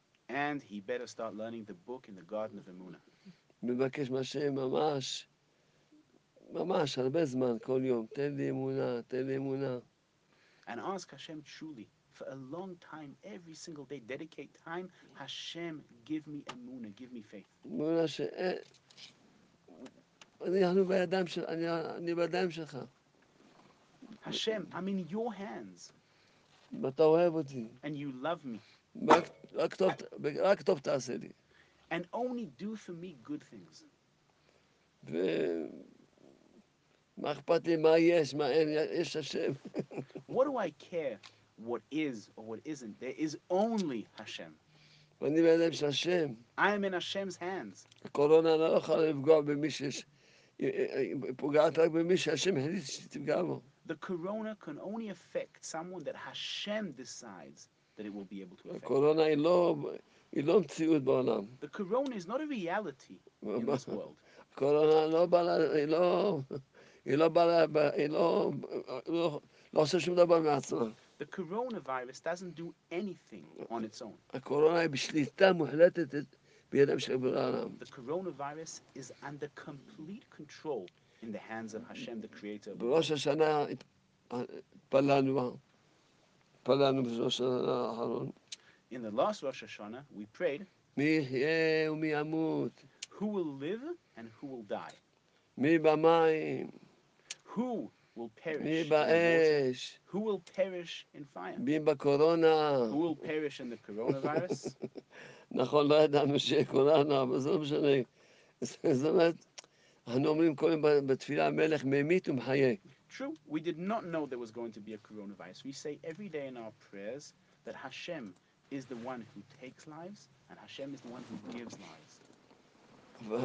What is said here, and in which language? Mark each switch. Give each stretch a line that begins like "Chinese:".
English: And he better start learning the book in the Garden of Emunah.
Hebrew: מבקש מהשם ממש, ממש, הרבה זמן, כל יום, תן לי אמונה, תן לי אמונה.
English: And ask Hashem truly, for a long time, every single day, dedicate time, Hashem, give me emunah, give me faith.
Hebrew: אמונה ש... אנחנו בידיים של... אני בידיים שלך.
English: Hashem, I'm in your hands.
Hebrew: אתה אוהב אותי.
English: And you love me.
Hebrew: רק טוב תעשה לי.
English: And only do for me good things.
Hebrew: מה אכפת לי, מה יש, מה אין, יש השם.
English: What do I care what is or what isn't. There is only Hashem.
Hebrew: ואני בידיים של השם.
English: I am in Hashem's hands.
Hebrew: הקורונה לא יכולה לפגוע במי שיש, פוגעת רק במי שהשם החליט שתפגע בו.
English: The corona can only affect someone that Hashem decides that it will be able to affect.
Hebrew: הקורונה היא לא מציאות בעולם.
English: The corona is not a reality in this world.
Hebrew: הקורונה לא בא לה, היא לא עושה שום דבר מעצמה.
English: The coronavirus doesn't do anything on its own.
Hebrew: הקורונה היא בשליטה מוחלטת בידיים של בורא העולם.
English: The coronavirus is under complete control in the hands of Hashem, the creator.
Hebrew: בראש השנה התפללנו בראש השנה האחרון.
English: In the last Rosh Hashanah, we prayed,
Hebrew: מי יחיה ומי ימות?
English: Who will live and who will die?
Hebrew: מי במים?
English: Who will perish?
Hebrew: מי באש?
English: Who will perish in fire?
Hebrew: מי בקורונה?
English: Who will perish in the coronavirus?
Hebrew: נכון, לא ידענו שיהיה קורונה, אבל זה לא משנה. זאת אומרת, אנחנו אומרים קודם בתפילה המלך, ממית ומחיה.
English: True, we did not know there was going to be a coronavirus. We say every day in our prayers that Hashem is the one who takes lives and Hashem is the one who gives lives.